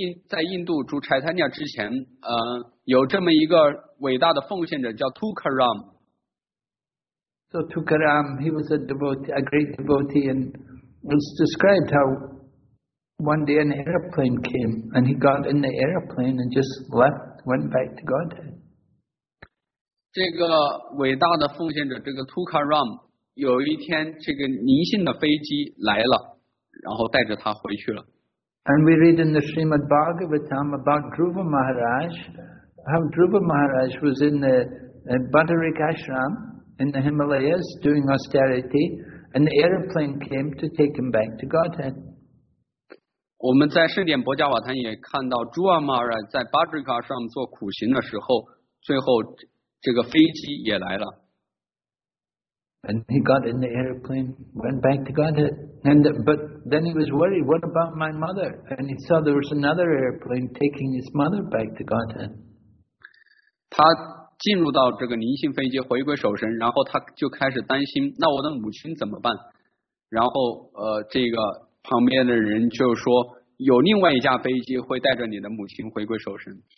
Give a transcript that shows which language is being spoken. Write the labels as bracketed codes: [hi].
[zh] 在印度主柴坦尼亚之前，有这么一个伟大的奉献者叫 Tukaram。 [en] So Tukaram, he was a devotee, a great devotee, and was described how one day an airplane came, and he got in the airplane and just left, went back to Godhead. [zh] 这个伟大的奉献者，这个 Tukaram, 有一天这个灵性的飞机来了，然后带着他回去了。 [en] And we read in the Srimad Bhagavatam about Dhruva Maharaj, how Dhruva Maharaj was in the Bhattarik Ashram in the Himalayas doing austerity, and the airplane came to take him back to Godhead. [zh] 我们在圣典博迦瓦坛也看到 Dhruva Maharaj 在 Bhattarik Ashram 做苦行的时候，最后这个飞机也来了。 [en] And he got in the airplane, went back to Godhead. But then he was worried, what about my mother? And he saw there was another airplane taking his mother back to Godhead. [zh] 他进入到这个灵性飞机回归守神，然后他就开始担心，那我的母亲怎么办？然后这个旁边的人就说，有另外一架飞机会带着你的母亲回归守神。